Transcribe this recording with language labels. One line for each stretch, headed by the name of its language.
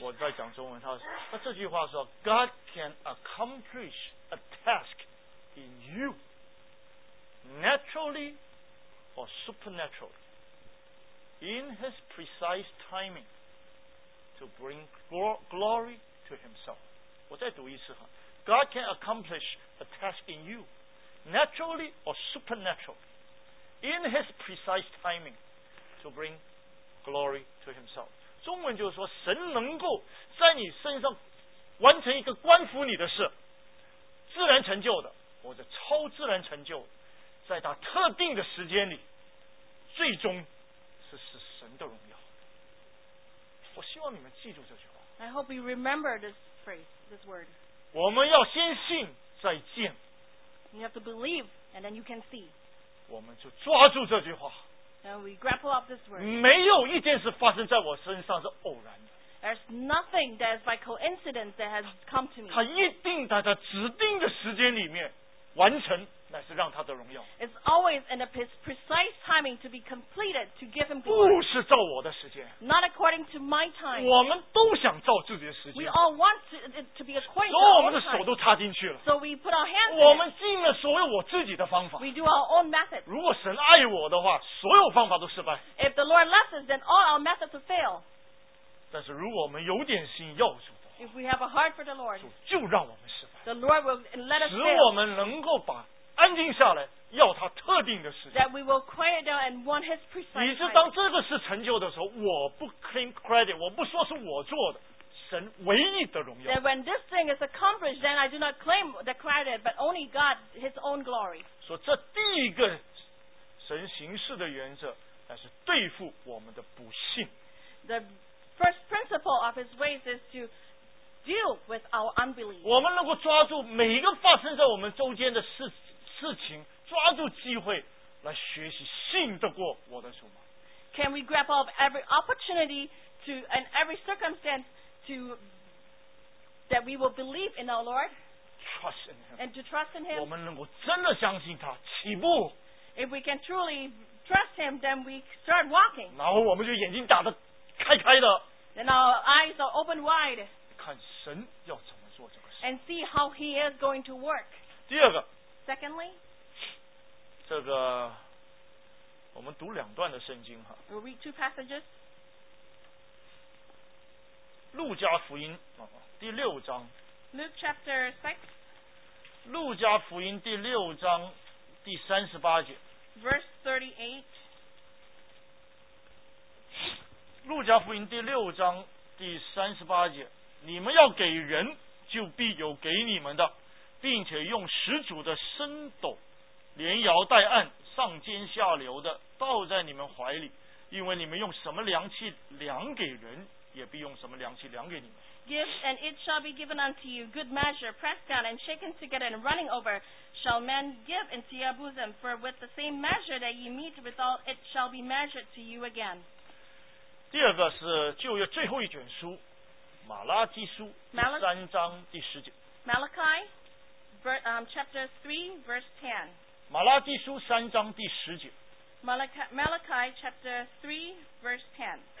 Chinese: 我在讲中文，他这句话说 ，
English: God can accomplish. A task in you, naturally or supernaturally, in His precise timing, to bring glory to Himself.
Chinese: 我再读一次哈。
English: God can accomplish a task in you, naturally or supernaturally, in His precise timing, to bring glory to Himself.
Chinese: 中文就是说，神能够在你身上完成一个关乎你的事。自然成就的或者超自然成就在他特定的时间里最终是神的荣耀我希望你们记住这句话
English: I hope you remember this phrase, this word
Chinese: 我们要先信再见
English: You have to believe and then you can see
Chinese: 我们就抓住这句话
English: And we grapple up this word
Chinese: 没有一件事发生在我身上是偶然的
English: There's nothing that is by coincidence that has come to me.
Chinese: 他一定在他指定的时间里面完成，乃是让他的荣耀。
English: It's always in a precise timing to be completed to give him glory.
Chinese: 不是照我的时间。
English: Not according to my time.
Chinese: 我们都想照自己的时间。
English: We all want to be according to
Chinese: 所以我们的手都插进去了。
English: So we put our hands.
Chinese: 我们尽了所有我自己的方法。
English: We do our own method.
Chinese: 如果神爱我的话，所有方法都失败。
English: If the Lord loves us, then all our methods will fail.
Chinese: 但是如果我们有点心要主的话
English: If we have a heart for the Lord,
Chinese: 主就让我们失败
English: the Lord will let us
Chinese: 使我们能够把安静下来要他特定的时间
English: that we will quiet down and want his precise time
Chinese: 以致当这个事成就的时候我不
English: claim credit
Chinese: 我不说是我做的神唯一的荣耀
English: that when this thing is accomplished then I do not claim the credit but only God his own glory
Chinese: 所以这第一个神行事的原则乃是对付我们的不信
English: theFirst principle of his ways is to deal with our unbelief.
Chinese: 我们能够抓住每一个发生在我们周间的事情，抓住机会来学习信得过我的主吗
English: ？Can we grab up every opportunity to and every circumstance to that we will believe in our Lord? Trust in him. And to trust in him.
Chinese: 我们能够真的相信他，起步。
English: If we can truly trust him, then we start walking.
Chinese: 然后我们就眼睛打得。开开的
English: Then our eyes are open wide.
Chinese: 看神要怎么做这个事
English: And see how he is going to work.
Chinese: 第二个
English: Secondly,
Chinese: 这个我们读两段的圣经哈
English: We'll read two passages.
Chinese: 路加福音第六章
English: Luke chapter 6.
Chinese: 路加福音第六章第三十八节
English: Verse 38.
Chinese: 路加福音第六章第三十八节你们要给人就必有给你们的并且用十足的升斗连摇带按上尖下流的倒在你们怀里因为你们用什么量器量给人也必用什么量器量给你们
English: give, and it shall be given unto you, good measure, pressed down and shaken together and running over, shall men give into your bosom. For with the same measure that ye meet withal, it shall be measured to you again.
Chinese: 第二个是旧约最后一卷书，马拉基书第三章第十节。
English: Malachi, chapter 3, verse 10.
Chinese: 马拉基书三章第十节。
English: Malachi, chapter 3, verse 10.